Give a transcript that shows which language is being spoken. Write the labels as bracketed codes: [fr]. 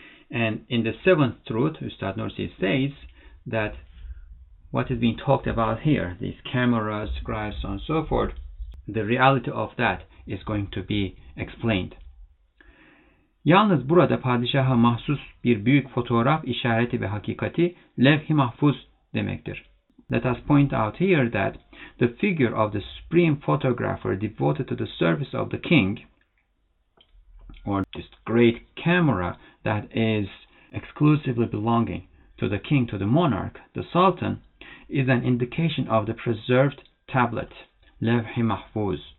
[en] And in the seventh truth, Üstad Nursi says that what is being talked about here, these cameras, scribes, so on and so forth, the reality of that is going to be explained. [tr] Yalnız burada padişaha mahsus bir büyük fotoğraf işareti ve hakikati levh-i mahfuz demektir. [en] Let us point out here that the figure of the supreme photographer devoted to the service of the king, or this great camera that is exclusively belonging to the king, to the monarch, the sultan, is an indication of the preserved tablet, levh-i mahfuz.